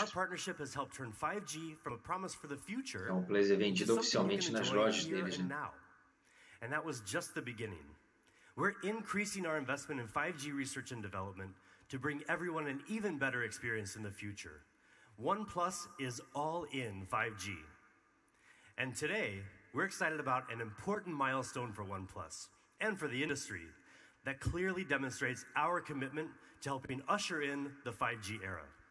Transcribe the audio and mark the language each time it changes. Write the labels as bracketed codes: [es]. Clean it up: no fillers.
[en] Our partnership has helped turn 5G from a promise for the future. [pt] É um player vendido oficialmente nas lojas deles, né? [en] And that was just the beginning. We're increasing our investment in 5G research and development to bring everyone an even better experience in the future. OnePlus is all in 5G. And today, we're excited about an important milestone for OnePlus and for the industry that clearly demonstrates our commitment to helping usher in the 5G era.